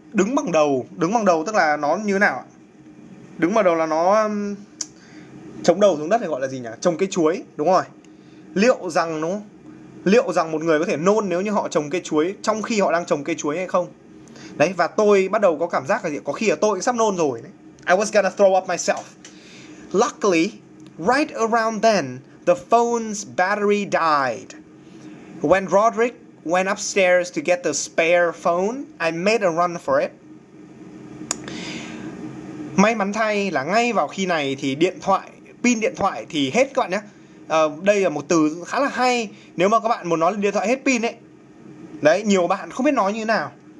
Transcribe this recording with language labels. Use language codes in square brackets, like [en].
[vi] Đứng bằng đầu tức là nó như thế nào ạ? Đứng bằng đầu là nó chống đầu xuống đất thì gọi là gì nhỉ? Trồng cây chuối, đúng rồi. Liệu rằng đúng không? Liệu rằng một người có thể nôn nếu như họ trồng cây chuối trong khi họ đang trồng cây chuối hay không? Đấy, và tôi bắt đầu có cảm giác là gì? Có khi là tôi cũng sắp nôn rồi đấy. [en] I was gonna throw up myself. Luckily, right around then, the phone's battery died. When Roderick went upstairs to get the spare phone, I made a run for it. [vi] May mắn thay là ngay vào khi này thì điện thoại, pin điện thoại thì hết các bạn nhé. Đây là một từ khá là hay. Nếu mà các bạn muốn nói là điện thoại hết pin ấy. Đấy, nhiều bạn không biết nói như thế nào.